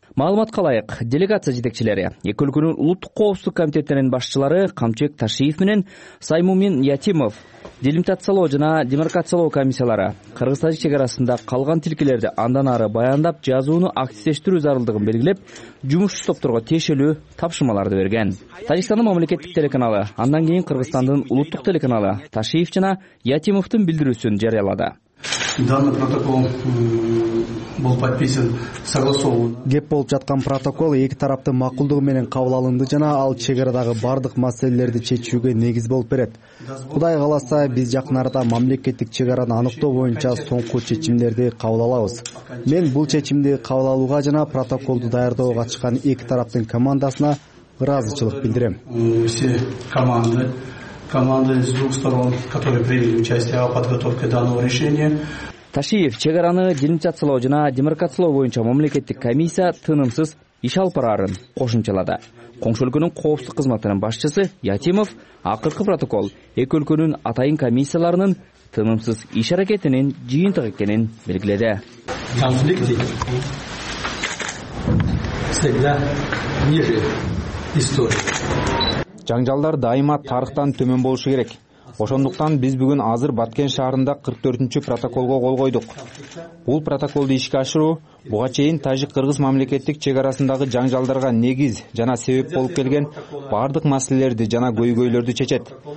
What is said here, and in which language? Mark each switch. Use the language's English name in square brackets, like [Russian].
[Kyrgyz] Маалыматка ылайык, делегация жетекчилери эки өлкөнүн улуттук коопсуздук комитеттеринин башчылары Камчыбек Ташиев менен Саймумин Ятимов, делимитациялоо жана демаркациялоо комиссиялары Кыргыз-Тажик чек арасында калган тилкелерди андан ары баяндап жазууну активдештирүү зарылдыгын белгилеп, жумушчу топторго тиешелүү тапшырмаларды берген. Тажикстандын мамлекеттик телеканалы, андан кийин Кыргызстандын улуттук телеканалы Ташиев жана Ятимовдун билдирүүсүн жарыялады. [Russian] Данный протокол был подписан согласованно. [Kyrgyz] Кеп болуп жаткан протокол эки тараптын макулдугу менен кабыл алынды жана ал чек арадагы бардык маселелерди чечүүгө негиз болуп берет. Кудай кааласа, биз жакын арада мамлекеттик чек араны аныктоо боюнча соңку чечимдерди кабыл алабыз. Мен бул чечимди кабыл алууга жана протоколду даярдоого катышкан эки тараптын командасына ыраазычылык билдирем. [Russian] Все команды. Команда из двух сторон, которые приняли участие в подготовке данного решения. [Kyrgyz] Ташиев чек араны делимитациялоо жана демаркациялоо боюнча мамлекеттик комиссия тынымсыз иш алып барарын кошумчалады. Коңшу өлкөнүн коопсуздук кызматынын башчысы Ятимов акыркы протокол эки өлкөнүн атайын комиссияларынын тынымсыз иш аракетинин жыйынтыгы экенин белгиледи. [Russian] Конфликт всегда ниже истории. [Kyrgyz] Жаңжалдар дайыма тарыхтан төмөн болушу керек. Ошондуктан биз бүгүн азыр Баткен шаарында 44-чү протоколго кол койдук. Бул протоколду ишке ашыруу буга чейин тажик-кыргыз мамлекеттик чек арасындагы жаңжалдарга негиз жана себеп болуп келген бардык маселелерди жана көйгөйлөрдү чечет.